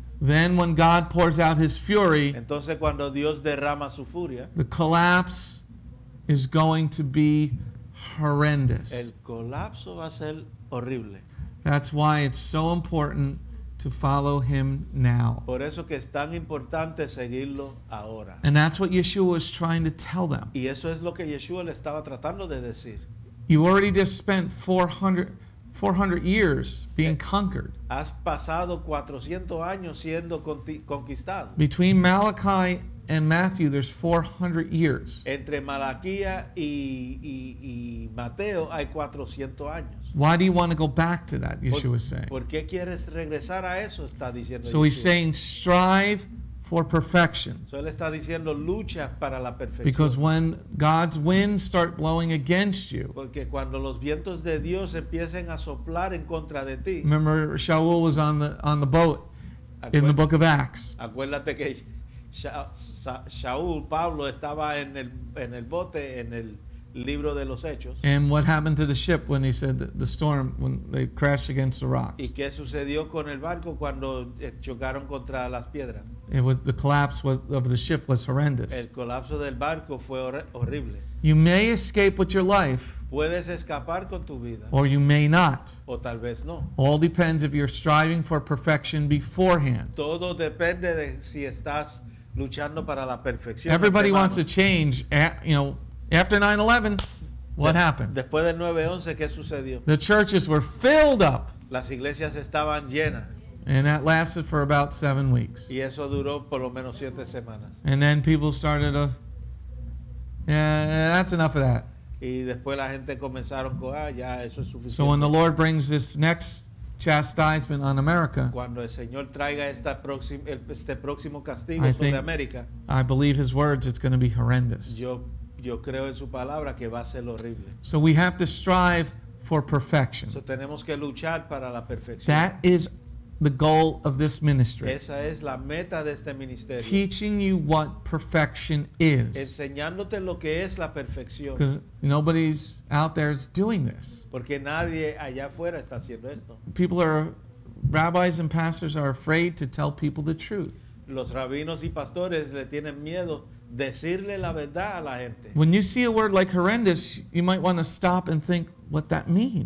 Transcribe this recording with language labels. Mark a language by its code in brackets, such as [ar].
[en] then when God pours out his fury, [es] entonces cuando Dios derrama su furia, [en] the collapse is going to be horrendous. [es] El colapso va a ser horrible. [en] That's why it's so important to follow him now. [es] Por eso que es tan importante seguirlo ahora. [en] And that's what Yeshua was trying to tell them. [es] Y eso es lo que Yeshua le estaba tratando de decir. [en] You already just spent 400 years being conquered. [es] Has pasado 400 años siendo conquistado. [en] Between Malachi and Matthew, there's 400 years. [es] Entre Malaquías y Mateo hay 400 años. [en] Why do you want to go back to that? Yeshua was saying. [es] ¿Por qué quieres regresar a eso? Está diciendo. [en] So he's saying, strive for perfection. [es] So él está diciendo, lucha para la perfección. [en] Because when God's winds start blowing against you, [es] porque cuando los vientos de Dios empiecen a soplar en contra de ti. [en] Remember, Shaul was on the boat in the book of Acts. [es] Acuérdate que Shaul, Pablo, estaba en el bote en el libro de los Hechos. [en] And what happened to the ship when he said the storm, when they crashed against the rocks? [es] ¿Y qué sucedió con el barco cuando chocaron contra las piedras? [en] It was, the collapse was, of the ship was horrendous. [es] El colapso del barco fue horrible. [en] You may escape with your life. [es] Puedes escapar con tu vida. [en] Or you may not. [es] O tal vez no. [en] All depends if you're striving for perfection beforehand. [es] Todo depende de si estás luchando para la perfección. [en] Everybody wants to change, after 9/11, what happened? [es] Después del 9/11, ¿qué sucedió? [en] The churches were filled up. [es] Las iglesias estaban llenas. [en] And that lasted for about 7 weeks. [es] Y eso duró por lo menos 7 semanas. [en] And then people started to, that's enough of that. [es] Y después la gente comenzaron con, ya eso es suficiente. [en] So when the Lord brings this next chastisement on America, [es] cuando el Señor traiga esta este próximo castigo sobre América, [en] I believe his words, it's going to be horrendous. [es] Yo creo en su palabra que va a ser horrible. [en] So we have to strive for perfection. [es] So tenemos que luchar para la perfección. [en] That is the goal of this ministry. [es] Esa es la meta de este ministerio. [en] Teaching you what perfection is. [es] Enseñándote lo que es la perfección. [en] Because nobody's out there is doing this. [es] Porque nadie allá afuera está haciendo esto. [en] People are, rabbis and pastors are afraid to tell people the truth. [es] Los rabinos y pastores le tienen miedo decirle la verdad a la gente. [en] When you see a word like horrendous, you might want to stop and think what that means.